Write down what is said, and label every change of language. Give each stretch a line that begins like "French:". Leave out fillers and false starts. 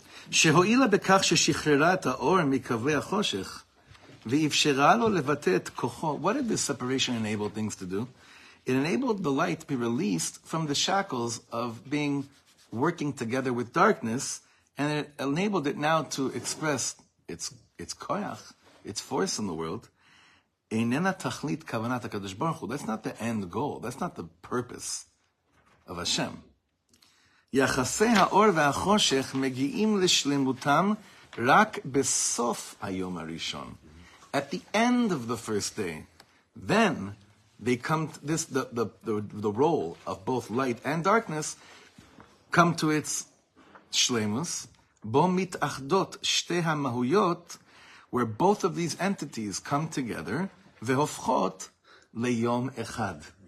Hebrew: שהועילה בכך ששחררה את האור מקווי החושך ואפשרה לו לבטא את כוחו.
English: What did this separation enable things to do? It enabled the light to be released from the shackles of being working together with darkness, and it enabled it now to express its koyach, its force in the world.
Hebrew: איננה תכלית כוונת הקדוש ברוך הוא.
English: That's not the end goal. That's not the purpose of Hashem.
Hebrew: יחסי האור והחושך מגיעים לשלמותם רק בסוף היום הראשון.
English: At the end of the first day, then they come to this, the role of both light and darkness come to its שלמוס,
Hebrew: בו מתאחדות שתי המהויות,
English: where both of these entities come together,
Hebrew: והופכות ליום אחד.